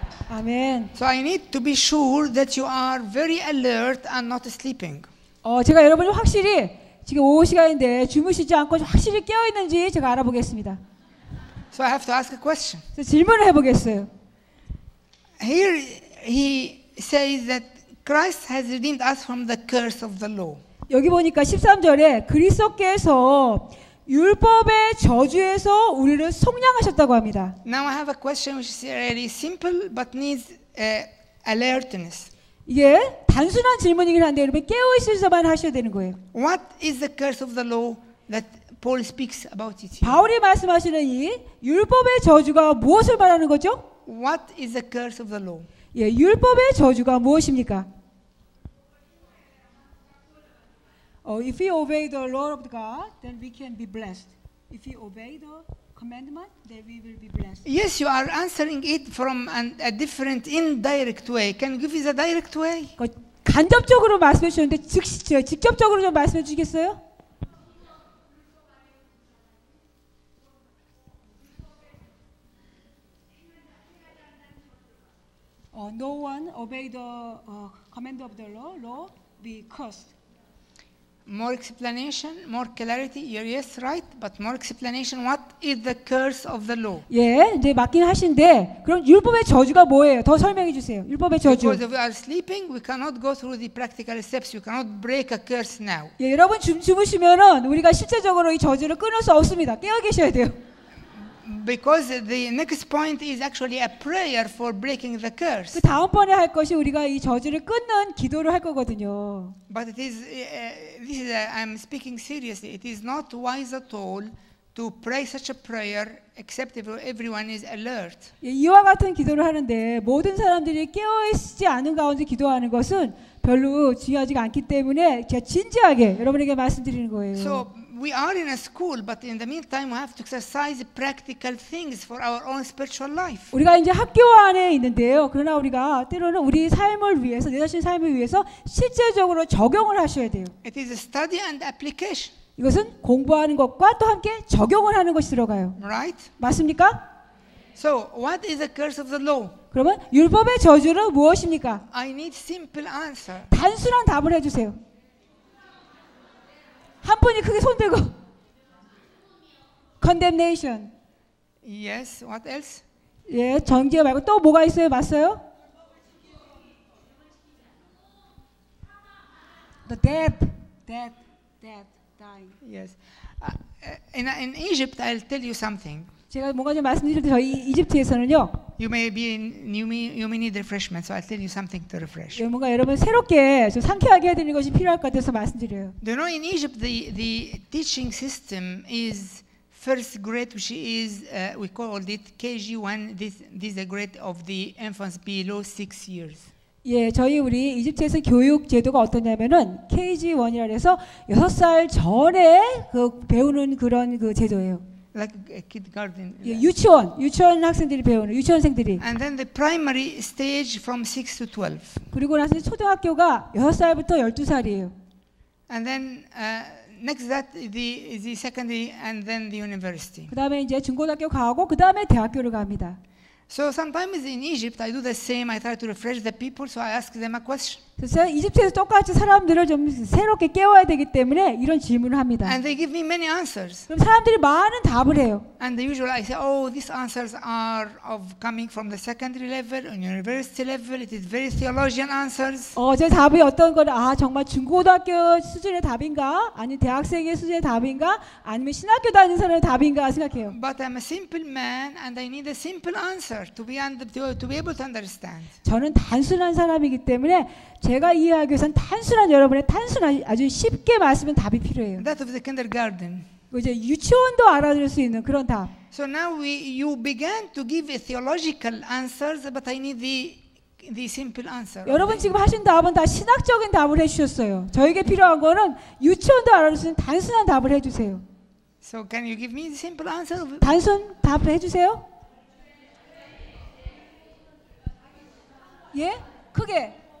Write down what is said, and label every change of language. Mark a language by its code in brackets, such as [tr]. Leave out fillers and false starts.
[en] Amen. So I need to be sure that you are very alert and not sleeping. [ko] 제가 여러분 확실히 지금 오후 시간인데 주무시지 않고 확실히 깨어 있는지 제가 알아보겠습니다. [en] So I have to ask a question. [ko] 질문을 해보겠어요. [en] Here he says that Christ has redeemed us from the curse of the law. [ko] 여기 보니까 13절에 그리스도께서 율법의 저주에서 우리를 속량하셨다고 합니다. [en] Now I have a question which is really simple but needs alertness. [ko] 이게 단순한 질문이긴 한데 여러분 깨어 있을 때만 하셔야 되는 거예요. [en] What is the curse of the law that Paul speaks about it? [ko] 바울이 말씀하시는 이 율법의 저주가 무엇을 말하는 거죠? [en] What is the curse of the law? [ko] 예, 율법의 저주가 무엇입니까? [en] If we obey the law of God, then we can be blessed. If we obey the commandment, then we will be blessed. Yes, you are answering it from a different indirect way. Can you give us a direct way? [ko] 간접적으로 말씀해 주는데 즉시 직접적으로 좀 말씀해 주시겠어요? [en] 어, no one obey the command of the law be cursed. More explanation, more clarity. You're yes, right, but more explanation. What is the curse of the law? [ko] 예, 이제 맞긴 하신데 그럼 율법의 저주가 뭐예요? 더 설명해 주세요. 율법의 저주. [en] Because we are sleeping, we cannot go through the practical steps. You cannot break a curse now. [ko] 예, 여러분 주무시면은 우리가 실제적으로 이 저주를 끊을 수 없습니다. 깨어 계셔야 돼요. [en] Because the next point is actually a prayer for breaking the curse. [ko] 그 다음번에 할 것이 우리가 이 저주를 끊는 기도를 할 거거든요. [en] But it is, this is I'm speaking seriously. It is not wise at all to pray such a prayer except if everyone is alert. [ko] 이와 같은 기도를 하는데 모든 사람들이 깨어 있지 않은 가운데 기도하는 것은 별로 중요하지 않기 때문에 제가 진지하게 여러분에게 말씀드리는 거예요. [en] So, we are in a school, but in the meantime, we have to exercise practical things for our own spiritual life. [ko] 우리가 이제 학교 안에 있는데요. 그러나 우리가 때로는 우리 삶을 위해서, 내 자신 삶을 위해서 실제적으로 적용을 하셔야 돼요. [en] It is a study and application. [ko] 이것은 공부하는 것과 또 함께 적용을 하는 것이 들어가요. [en] Right? [ko] 맞습니까? [en] So, what is the curse of the law? [ko] 그러면 율법의 저주는 무엇입니까? [en] I need simple answer. [ko] 단순한 답을 해주세요. 한 분이 크게 손 들고 condemnation. [en] Yes, what else? [ko] 예, 정죄 말고 또 뭐가 있어요? 맞아요? [en] The death. Death, death, dying. Yes. In Egypt I'll tell you something. [ko] 제가 뭔가 좀 말씀드릴 때 저희 이집트에서는요. [en] You may be in, you may need refreshment, so I'll tell you something to refresh. [ko] 예, 뭔가 여러분 새롭게 좀 상쾌하게 해드리는 것이 필요할 것 같아서 말씀드려요. [en] You know, in Egypt, the teaching system is first grade, which is we called it KG1. This is a grade of the infants below 6 years. [ko] 예, 저희 우리 이집트에서 교육 제도가 어떠냐면은 KG1이라 해서 여섯 살 전에 그 배우는 그런 그 제도예요. [en] Like a kindergarten. [ko] 예, 유치원, 유치원 학생들이 배우는 유치원생들이. [en] And then the primary stage from 6 to 12. [ko] 그리고 나서 초등학교가 6살부터 12살이에요. [en] And then next that the secondary and then the university. [ko] 그다음에 이제 중고등학교 가고 그다음에 대학교를 갑니다. [en] So sometimes in Egypt I do the same. I try to refresh the people, so I ask them a question. [ko] 그래서 이집트에서 똑같이 사람들을 좀 새롭게 깨워야 되기 때문에 이런 질문을 합니다. [en] And they give me many answers. [ko] 그럼 사람들이 많은 답을 해요. [en] And usually I say, oh, these answers are of coming from the secondary level and university level. It is very theological answers. [ko] 제 답이 어떤 건 아, 정말 중고등학교 수준의 답인가? 아니면 대학생의 수준의 답인가? 아니면 신학교 다니는 사람의 답인가 생각해요. [en] But I'm a simple man and I need a simple answer to be able to understand. [ko] 저는 단순한 사람이기 때문에 제가 이해하기 위해서는 단순한 여러분의 단순한 아주 쉽게 말씀은 답이 필요해요. [en] That of the kindergarten. [ko] 이제 유치원도 알아들 수 있는 그런 답. [en] So now you began to give theological answers, but I need the simple answer. [ko] 여러분 지금 하신 답은 다 신학적인 답을 해주셨어요. 저에게 필요한 거는 유치원도 알아들 수 있는 단순한 답을 해주세요. [en] So can you give me a simple answer? [ko] 단순 답해 주세요. 예? 크게.